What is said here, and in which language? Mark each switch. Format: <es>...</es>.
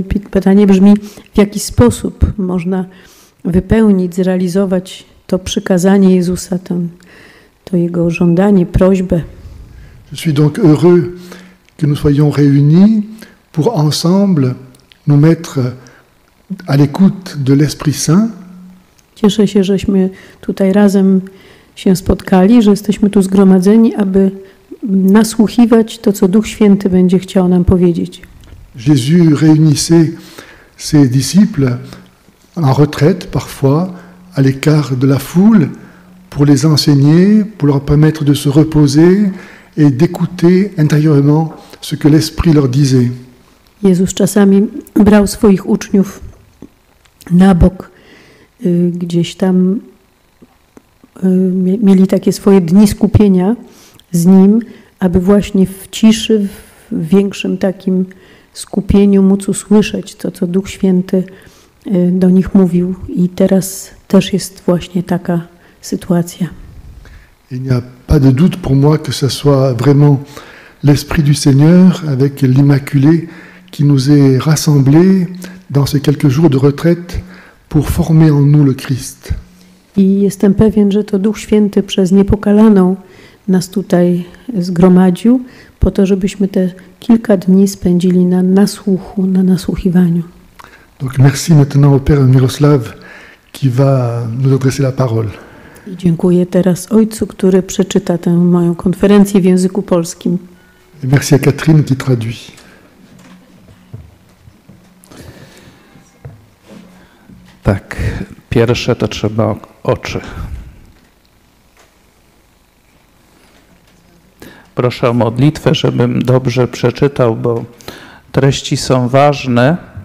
<pl>Pytanie brzmi, w jaki sposób można wypełnić, zrealizować to przykazanie Jezusa, to jego żądanie, prośbę.</pl> <fr>Je suis donc heureux que nous soyons réunis pour ensemble nous mettre à l'écoute de l'Esprit Saint.</fr> <pl>Cieszę się, żeśmy tutaj razem się spotkali, że jesteśmy tu zgromadzeni, aby nasłuchiwać to, co Duch Święty będzie chciał nam powiedzieć.</pl> <fr>Jésus réunissait ses disciples en retraite parfois à l'écart de la foule pour les enseigner, pour leur permettre de se reposer et d'écouter intérieurement ce que l'Esprit leur disait.</fr> <pl>Jezus czasami brał swoich uczniów na bok, gdzieś tam mieli takie swoje dni skupienia z Nim, aby właśnie w ciszy, w większym takim skupieniu móc usłyszeć to, co Duch Święty do nich mówił. I teraz też jest właśnie taka sytuacja.</pl> <fr>Il n'y a pas de doute pour moi que ce soit vraiment l'Esprit du Seigneur avec l'Immaculée qui nous est rassemblé dans ces quelques jours de retraite pour former en nous le Christ.</fr> <pl>I jestem pewien, że to Duch Święty przez Niepokalaną nas tutaj zgromadził po to, żebyśmy te kilka dni spędzili na nasłuchu, na nasłuchiwaniu.</pl> <fr>Donc merci maintenant au Père Miroslav qui va nous adresser la parole.</fr> <pl>I dziękuję teraz ojcu, który przeczyta tę moją konferencję w języku polskim.</pl> <fr>Et merci à Catherine qui traduit.</fr> <pl>Tak, pierwsze to trzeba oczy. Proszę o modlitwę, żebym dobrze przeczytał, bo treści są ważne.</pl>